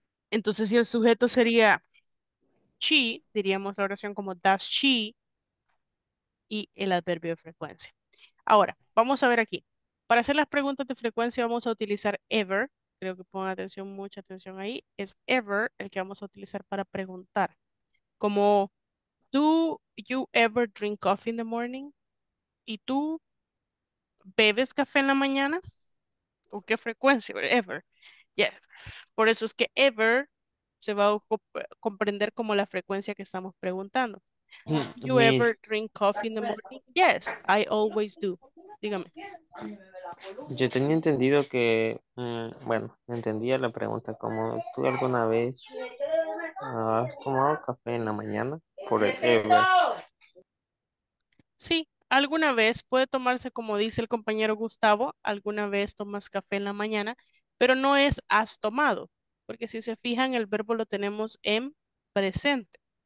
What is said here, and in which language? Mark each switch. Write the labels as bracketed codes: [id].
[es] Entonces, si el sujeto sería she, diríamos la oración como does she y el adverbio de frecuencia. Ahora, vamos a ver aquí. Para hacer las preguntas de frecuencia vamos a utilizar ever. Creo que pongan atención, mucha atención ahí. Es ever el que vamos a utilizar para preguntar. Como, [en] do you ever drink coffee in the morning? [es] ¿Y tú bebes café en la mañana? ¿Con qué frecuencia? Ever. Yeah. Por eso es que ever se va a comprender como la frecuencia que estamos preguntando. [en] Do you ever drink coffee in the morning? Yes, I always do. [es] Dígame. Yo tenía entendido que, bueno, entendía la pregunta como, ¿tú alguna vez has tomado café en la mañana? Por el ever. Sí, alguna vez puede tomarse, como dice el compañero Gustavo, alguna vez tomas café en la mañana, pero no es has tomado, porque si se fijan, el verbo lo tenemos en presente.